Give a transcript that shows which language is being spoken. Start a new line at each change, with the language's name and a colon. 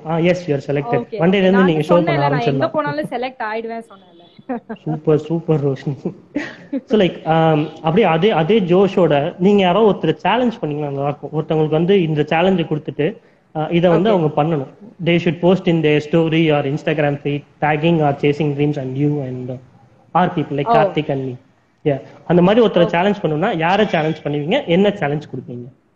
English: Yes, you are selected.
Tamil: மண்டேல இருந்து நீங்க ஷோ பண்ண ஆரம்பிச்சீங்க. எங்க போனாலும் செலக்ட் ஆயிடுவேன் சொன்னேன்ல. Super super Roshini. So like அப்படியே அதே ஜோஷோட நீங்க யாரோ ஒருத்தர் சேலஞ்ச் பண்ணீங்கன்னா நல்லா இருக்கும். ஒருத்தவங்களுக்கு வந்து இந்த சேலஞ்ச் கொடுத்துட்டு இதை வந்து அவங்க பண்ணணும்.
English: They should post in their story or Instagram feed tagging or chasing dreams and you and our people like Karthik and me. Yeah.
Tamil: அந்த மாதிரி ஒருத்தர் சேலஞ்ச் பண்ணுனா யாரை சேலஞ்ச் பண்ணுவீங்க, என்ன சேலஞ்ச் கொடுப்பீங்க?